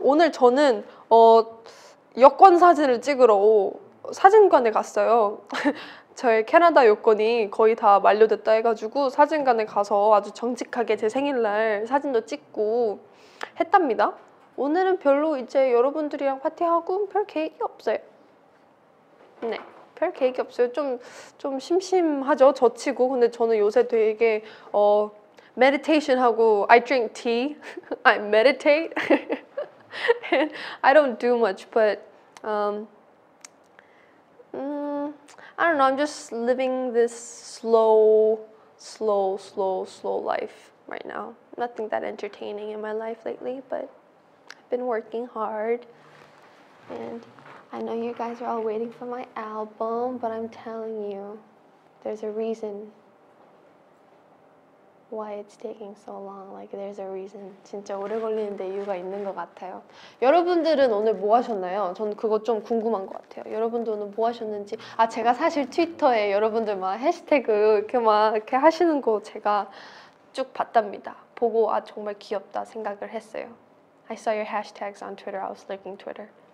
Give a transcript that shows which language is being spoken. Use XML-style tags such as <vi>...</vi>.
<ko>오늘 저는 여권 사진을 찍으러 사진관에 갔어요. 저의 캐나다 여권이 거의 다 만료됐다 해가지고 사진관에 가서 아주 정직하게 제 생일날 사진도 찍고 했답니다. 오늘은 별로 이제 여러분들이랑 파티하고 별 계획이 없어요. 네, 별 계획이 없어요. 좀 심심하죠, 저치고. 근데 저는 요새 되게</ko> <en>meditation 하고 I drink tea, I meditate, and I don't do much, but I don't know, I'm just living this slow, slow life right now. Nothing that entertaining in my life lately, but I've been working hard. And I know you guys are all waiting for my album, but I'm telling you, there's a reason why it's taking so long. Like, there's a reason.</en> <ko>진짜 오래 걸리는데 이유가 있는 것 같아요. 여러분들은 오늘 뭐 하셨나요? 전 그거 좀 궁금한 것 같아요. 여러분들 오늘 뭐 하셨는지. 아, 제가 사실 트위터에 여러분들 막 해시태그 이렇게 막 이렇게 하시는 거 제가 쭉 봤답니다. 보고 아, 정말 귀엽다 생각을 했어요.</ko> <en>I saw your hashtags on Twitter. I was lurking Twitter.</en>